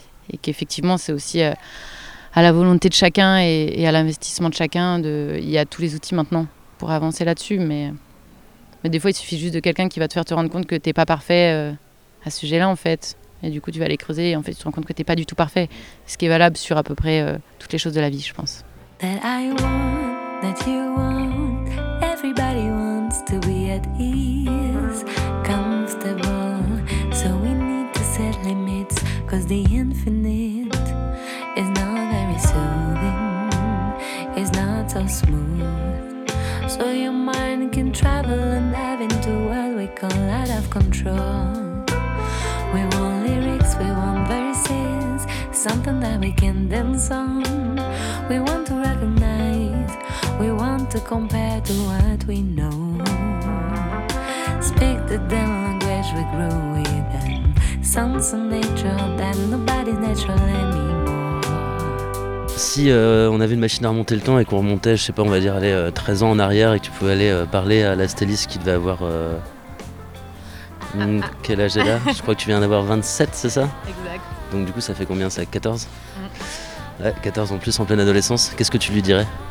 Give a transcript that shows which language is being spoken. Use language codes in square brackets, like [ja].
[fr] Et qu'effectivement c'est aussi à la volonté de chacun et à l'investissement de chacun, il y a tous les outils maintenant pour avancer là-dessus, mais des fois il suffit juste de quelqu'un qui va te faire te rendre compte que t'es pas parfait à ce sujet-là, en fait. Et du coup, tu vas aller creuser et en fait, tu te rends compte que t'es pas du tout parfait. Ce qui est valable sur à peu près toutes les choses de la vie, je pense. [en] That I want, that you want, everybody wants to be at ease, comfortable, so we need to set limits, cause the infinite is not very soothing, is not so smooth, so your mind can travel and dive into a world we call out of control. We want lyrics, we want verses, something that we can dance on. We want to recognize, we want to compare to what we know. Speak the damn language we grew with, and sounds of nature that nobody's natural anymore. [fr] Si on avait une machine à remonter le temps et qu'on remontait, je sais pas, on va dire aller 13 ans en arrière, et que tu pouvais aller parler à la Stélis qui devait avoir... quel âge elle a? Je crois que tu viens d'avoir 27, c'est ça? Exact. Donc du coup, ça fait combien? Ça 14? Ouais, 14 en plus, en pleine adolescence. Qu'est-ce que tu lui dirais?